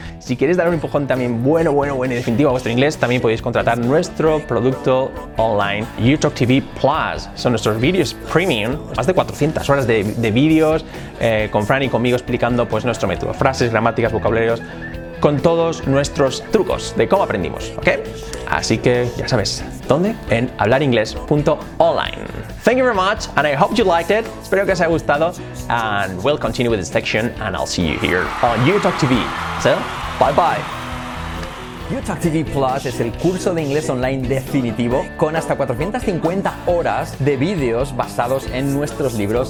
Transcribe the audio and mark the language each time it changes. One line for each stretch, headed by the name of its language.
Spanish: Si queréis dar un empujón también bueno y definitivo a vuestro inglés, también podéis contratar nuestro producto online, YouTalk TV Plus. Son nuestros vídeos premium, más de 400 horas de vídeos con Fran y conmigo explicando pues nuestro método, frases, gramáticas, vocabularios, con todos nuestros trucos de cómo aprendimos, ¿ok? Así que ya sabes, ¿dónde? En hablaringles.online.
English: Thank you very much, and I hope you liked it.
Spanish: Espero que os haya gustado,
English: and we'll continue with this section, and I'll see you here on YouTalk TV. So, bye bye.
Spanish: YouTalk TV Plus es el curso de inglés online definitivo con hasta 450 horas de vídeos basados en nuestros libros.